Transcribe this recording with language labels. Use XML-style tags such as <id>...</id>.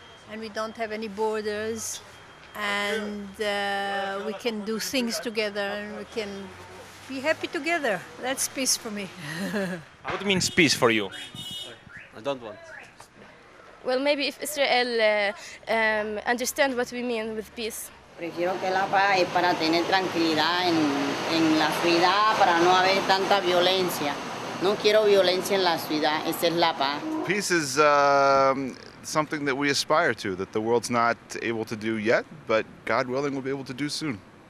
<en>And we don't have any borders, and we can do things together, and we can be happy together. That's peace for me. What means peace for you? I don't want. Well, maybe if Israel understands what we mean with peace.</en> <es>Prefiero que la paz es para tener tranquilidad en la ciudad, para no haber tanta violencia. No quiero violencia en la ciudad. Esa es la paz.</es> <en>Peace is something that we aspire to, that the world's not able to do yet, but God willing, we'll be able to do soon.</en>